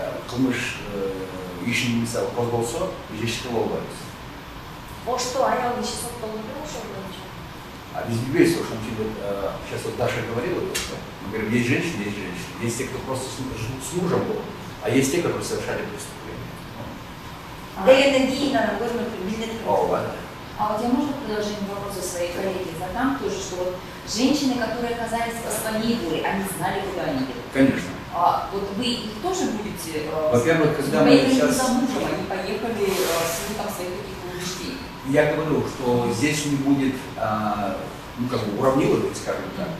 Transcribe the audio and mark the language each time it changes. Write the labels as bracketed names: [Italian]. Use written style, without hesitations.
[Kyrgyz] Кылмыш ишин мисал козголсо, жештик болбайбыз. Ошто аял иши соттолду ошондо. А биз билбейбиз, ошон үчүн [Russian] сейчас вот Даша говорила, что мы говорим, есть женщины, есть женщины. Есть те, кто просто с мужем был, а есть те, которые совершали преступление. [Kyrgyz] Дегенден кийин анан көрүнүп билдирип. Ооба. [Russian] А вот я можно продолжение вопроса своей коллеги задам тоже, что вот женщины, которые оказались распонивые, они знали, куда они идут. Конечно. А вот вы их тоже будете... Во-первых, когда мы сейчас... За мужем, они поехали с ним там своих каких-то убеждений. Я говорю, что здесь не будет, ну, как бы уравнивать, скажем так.